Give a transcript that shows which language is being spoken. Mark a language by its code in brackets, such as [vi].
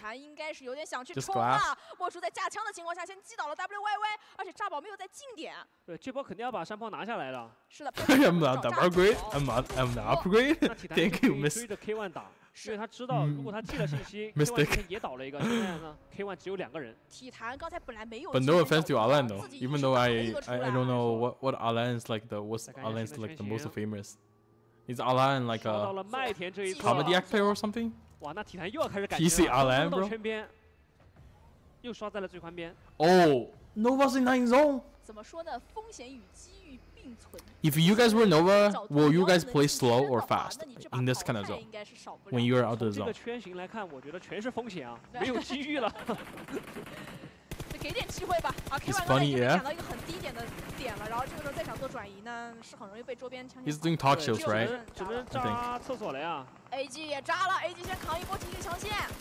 [zh] 看体坛应该是有点想去冲了。莫叔在架枪的情况下先击倒了 WYY， 而且炸宝没有在近点。对，这波肯定要把山炮拿下来了。是的。 [en] I'm not the upgrade， I'm the upgrade。 Thank you， Miss。 [zh] 追着 K1 打，因为他知道如果他寄了信息 ，K1 之前也倒了一个，现在呢 ，K1 只有两个人。体坛刚才本来没有。 [en] But no offense to Alan though， even though I don't know what Alan is like the what's Alan is like the most famous， is Alan like a comedy actor or something？ [zh] 哇，那体坛又要开始感觉了。 [en] PC Alan bro， [zh] 又刷在了最宽边。 [en] Oh， Nova's in 9 zone。 [zh] 怎么说呢？风险与机遇并存。 [en] If you guys were Nova， will you guys play slow or fast in this kind of zone？ [zh] 应该是少不了。 [en] When you are out of zone。 [zh] 从这个圈型来看，我觉得全是风险啊，没有机遇了。给点机会吧，啊 ，K1 已经抢到一个很低点的点了，然后这个时候再想做转移呢，是很容易被周边枪线。 [en] He's doing talk shows, right？ [zh] 只能炸厕所了呀。 AG 也炸了 ，AG 先扛一波 TC 枪线。